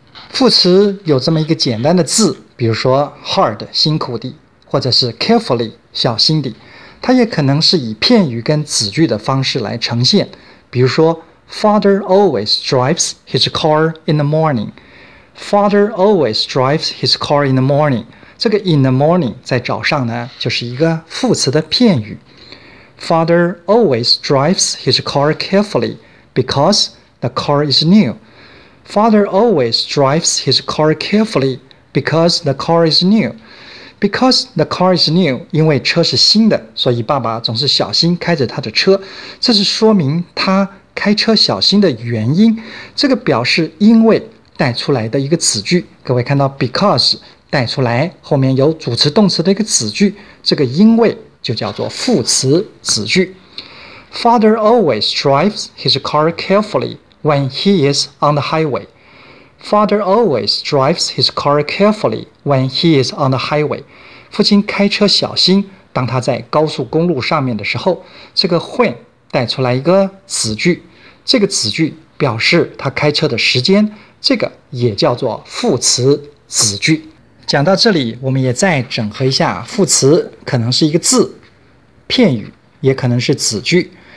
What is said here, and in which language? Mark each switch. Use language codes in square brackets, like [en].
[zh] 副词有这么一个简单的字，比如说 hard 辛苦的，或者是 carefully 小心的，它也可能是以片语跟子句的方式来呈现，比如说 [en] father always drives his car in the morning， father always drives his car in the morning， [zh] 这个 [en] in the morning [zh] 在早上呢就是一个副词的片语。 [en] father always drives his car carefully becauseThe car is new. Father always drives his car carefully because the car is new. Because the car is new, [zh] 因为车是新的，所以爸爸总是小心开着他的车。这是说明他开车小心的原因。这个表示因为带出来的一个子句。各位看到 because 带出来，后面有主词动词的一个子句，这个因为就叫做副词子句。 [en] Father always drives his car carefully when he is on the highway. Father always drives his car carefully when he is on the highway. [zh] 父亲开车小心，当他在高速公路上面的时候，这个 when 带出来一个子句，这个子句表示他开车的时间，这个也叫做副词子句。讲到这里，我们也再整合一下，副词可能是一个字、片语，也可能是子句。